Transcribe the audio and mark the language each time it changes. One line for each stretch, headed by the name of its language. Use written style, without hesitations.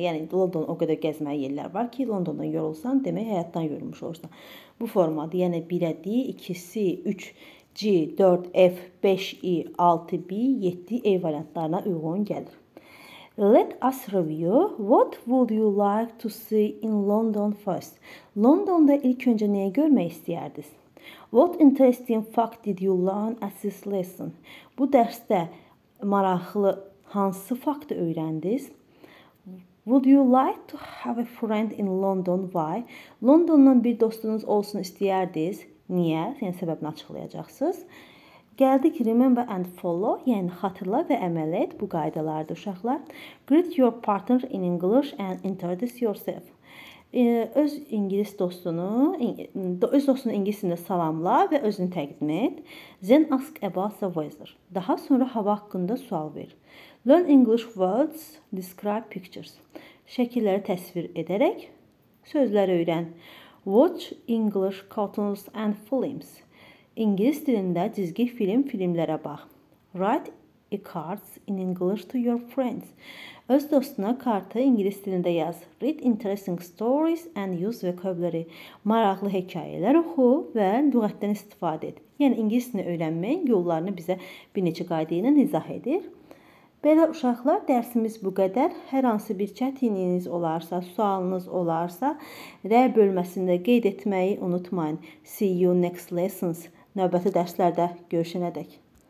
Azerbaijani: Yəni London o qədər gəzməyə yerlər var ki, London'dan yorulsan, demək həyatdan yorulmuş olursan. Bu formada, yəni 1-ə D, 2-C, 3 C, 4 F, 5 E, 6 B, 7 E variantlarına uyğun gəlir.
English: Let us review. What would you like to see in London first?
Azerbaijani: London'da ilk öncə nəyə görmək istəyərdiniz?
English: What interesting fact did you learn at this lesson?
Azerbaijani: Bu dərsdə maraqlı hansı faktı öyrəndiniz?
English: Would you like to have a friend in London? Why?
Azerbaijani: London'dan bir dostunuz olsun istəyərdiniz. Niyə? Yəni səbəbini açıqlayacaqsınız. Gəldik
English: remember and follow.
Azerbaijani: Yəni xatırla və əməl et. Bu qaydalardır uşaqlar.
English: Greet your partner in English and introduce yourself.
Azerbaijani: Öz ingilis dostunu, öz dostunu ingilisində salamla və özünü təqdim et.
English: Then ask about the weather.
Azerbaijani: Daha sonra hava haqqında sual ver.
English: Learn English words, describe pictures.
Azerbaijani: Şəkilləri təsvir edərək sözləri öyrən.
English: Watch English cartoons and films.
Azerbaijani: İngilis dilində cizgi film, filmlərə bax.
English: Write e cards in English to your friends.
Azerbaijani: Öz dostuna kartı ingilis dilində yaz.
English: Read interesting stories and use vocabulary.
Azerbaijani: Maraqlı hekayələr oxu və lüğətdən istifadə et. Yəni, ingilis dilini öyrənməyin yollarını bizə bir neçə qayda ilə izah edir. Belə uşaqlar, dərsimiz bu qədər. Hər hansı bir çətinliyiniz olarsa, sualınız olarsa, rə bölməsində qeyd etməyi unutmayın.
English: See you next lessons.
Azerbaijani: Növbəti dərslərdə görüşənə dək.